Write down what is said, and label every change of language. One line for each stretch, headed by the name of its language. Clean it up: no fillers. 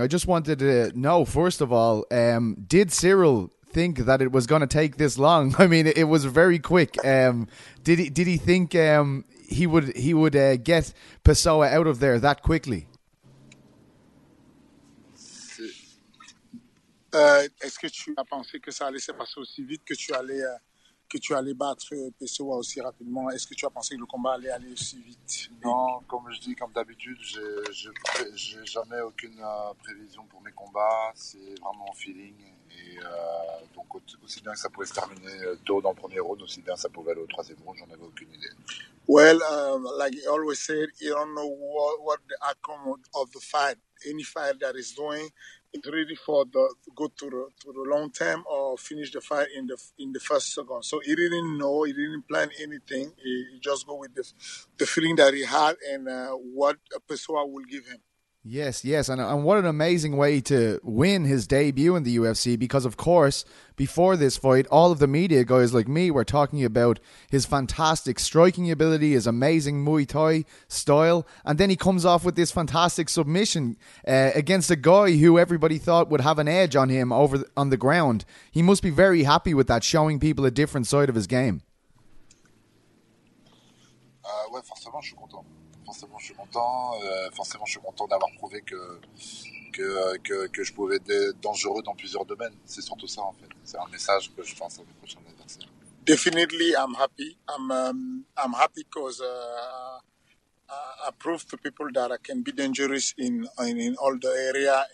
English: I just wanted to know, first of all, did Cyril think that it was going to take this long? I mean, it was very quick. Did he think he would get Pessoa out of there that quickly?
French: Est-ce que tu as pensé que ça allait se passer aussi vite que tu allais battre Pessoa aussi rapidement? Est-ce que tu as pensé que le combat allait aller aussi vite? Non, comme je dis, comme d'habitude, j'ai jamais aucune prévision pour mes combats. C'est vraiment feeling. Donc aussi bien que ça pouvait se terminer tôt dans le premier round, aussi bien que ça pouvait aller au troisième round, j'en avais aucune idée.
English: Well, like you always said, you don't know what the outcome of the fight. Any fight that is doing, it's really for the go to the long term or finish the fight in the first second. So he didn't know, he didn't plan anything. He just go with the feeling that he had and what Pessoa will give him. Yes. And what an amazing way to win his debut in the UFC, because, of course, before this fight, all of the media guys like me were talking about his fantastic striking ability, his amazing Muay Thai style. And then he comes off with this fantastic submission against a guy who everybody thought would have an edge on him on the ground. He must be very happy with that, showing people a different side of his game.
French: Ouais, forcément, je suis content. Forcément, je suis content. Forcément, je suis content d'avoir prouvé que je pouvais être dangereux dans plusieurs domaines. C'est surtout ça, en fait. C'est un message que je pense à mes prochains adversaires.
English: Definitely, I'm happy. I'm happy because I proved to people that I can be dangerous in all the area.